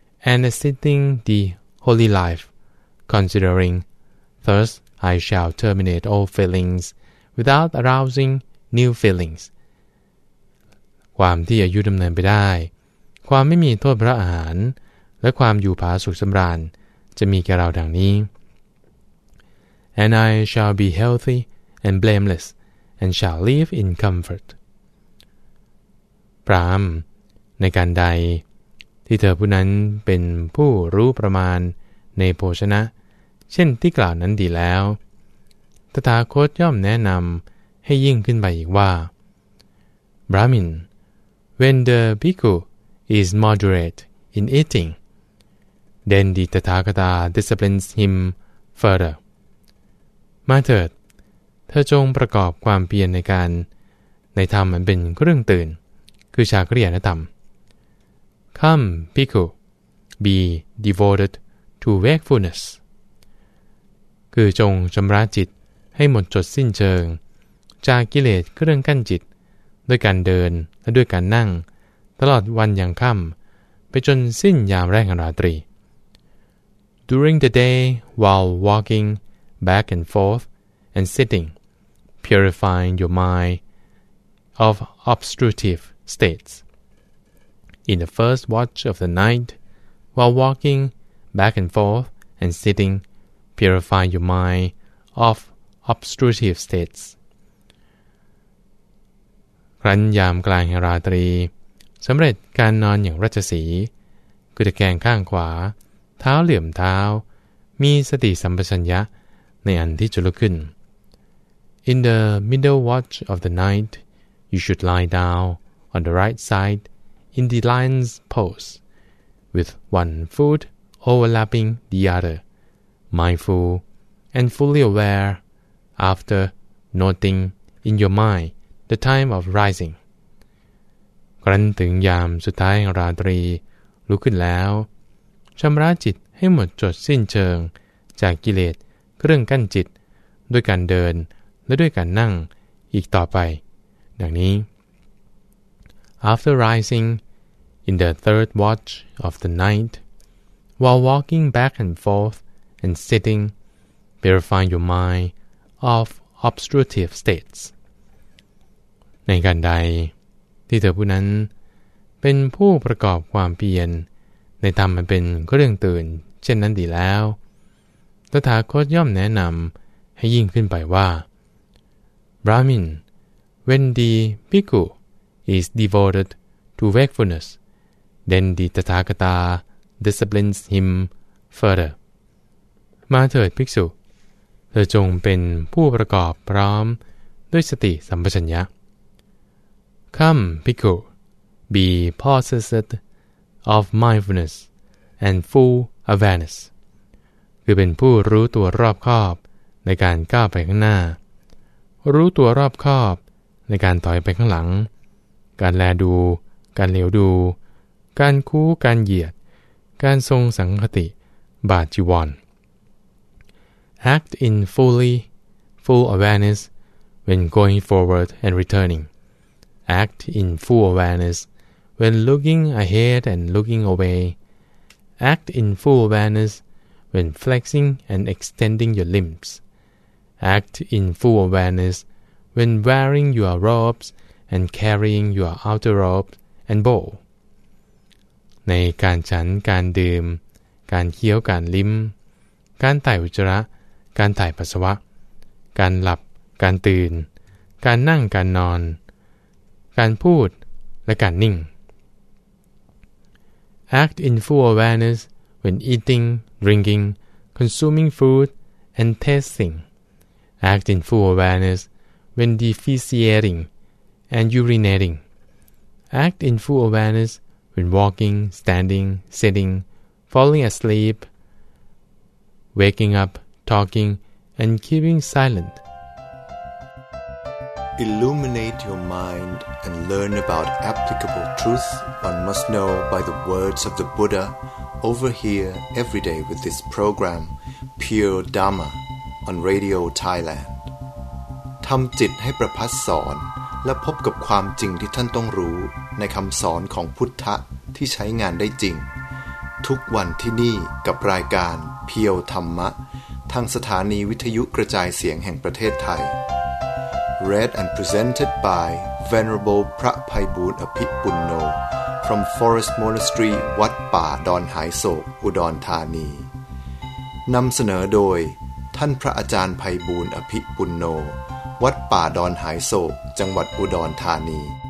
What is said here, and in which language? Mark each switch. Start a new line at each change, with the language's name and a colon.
English: And assisting the holy life considering Thus, I shall terminate all feelings without arousing new feelings.
Thai: ความที่อายุดำเนินไปได้ความไม่มีโทษพระอาหารและความอยู่ผาสุขสำราญจะมีแก่เราดังนี้
English: And I shall be healthy and blameless and shall live in comfort.
Thai: พระอานในการใดที่เธอผู้นั้นเป็นผู้รู้ประมาณในโภชนะเช่นที่กล่าวนั้นดีแล้วตถาคตย่อมแนะนำให้ยิ่งขึ้นไปอีกว่า
English: Brahmin, when the bhikkhu is moderate in eating, then the Tathagata disciplines him further.
Thai: มาเถิดเธอจงประกอบความเพียรในการในธรรมมันเป็นเครื่องตื่นคือชาคริยธรรม
English: Come, bhikkhu, be devoted to wakefulness.
Thai: คือจงชำระจิตให้หมดจดสิ้นเชิงจากกิเลสเครื่องกั้นจิตด้วยการเดินและด้วยการนั่งตลอดวันยังค่ำไปจนสิ้นยามแรกของราตรี
English: During the day while walking back and forth and sitting purifying your mind of obstructive states In the first watch of the night while walking back and forth and sittingPurify your mind of obstructive states.
Thai: ครั้นยามกลางราตรีสำเร็จการนอนอย่างราชสีห์คือตะแคงข้างขวาเท้าเหลื่อมเท้ามีสติสัมปชัญญะในอันที่จะลุกขึ้น
English: In the middle watch of the night, you should lie down on the right side in the lion's pose, with one foot overlapping the other. Mindful and fully aware after noting in your mind the time of rising.
Thai: ครั้นถึงยามสุดท้ายราตรีลุกขึ้นแล้วชำระจิตให้หมดจดสิ้นเชิงจากกิเลสเครื่องกั้นจิตด้วยการเดินและด้วยการนั่งอีกต่อไปดังนี้
English: After rising in the third watch of the night while walking back and forthAnd sitting, purify your mind of obstructive states.
Thai: ในการใดที่เธอผู้นั้นเป็นผู้ประกอบความเพียรในธรรมมันเป็นเครื่องตื่นเช่นนั้นดีแล้วตถาคตย่อมแนะนำให้ยิ่งขึ้นไปว่า
English: Brahmin, when the bhikkhu is devoted to wakefulness, then the Tathagata disciplines him further.
Thai: มาเถิดภิกษุเธอจงเป็นผู้ประกอบพร้อมด้วยสติสัมปชัญญะ
English: Come, bhikkhu, be possessed of mindfulness and full awareness.
Thai: คือเป็นผู้รู้ตัวรอบคอบในการก้าวไปข้างหน้ารู้ตัวรอบคอบในการถอยไปข้างหลังการแลดูการเหลียวดูการคู้การเหยียดการทรงสังคติบาจิวร
English: Act in fully, full awareness when going forward and returning. Act in full awareness when looking ahead and looking away. Act in full awareness when flexing and extending your limbs. Act in full awareness when wearing your robes and carrying your outer robe and bowl.
Thai: ในการฉันการดื่มการเคี้ยวการลิ้มการไต่อุจจาระการถ่ายปัสสาวะการหลับการตื่นการนั่งการนอนการพูดและการนิ่ง
English: Act in full awareness when eating, drinking, consuming food and tasting. Act in full awareness when defecating and urinating. Act in full awareness when walking, standing, sitting, falling asleep, waking up. Talking and keeping silent. Illuminate your mind and learn about applicable truth one must know by the words of the Buddha over here every day with this program Pure Dharma on Radio Thailand.
Thai: ทำจิตให้ประพัสสอนและพบกับความจริงที่ท่านต้องรู้ในคำสอนของพุทธะที่ใช้งานได้จริงทุกวันที่นี่กับรายการ Pure Dharma ทางสถานีวิทยุกระจายเสียงแห่งประเทศไทย
English: Read and presented by Venerable
Thai: พระไพบูลย์อภิปุณโญ
English: from Forest Monastery
Thai: วัดป่าดอนหายโศกอุดรธานีนำเสนอโดยท่านพระอาจารย์ไพบูลย์อภิปุณโญวัดป่าดอนหายโศกจังหวัดอุดรธานี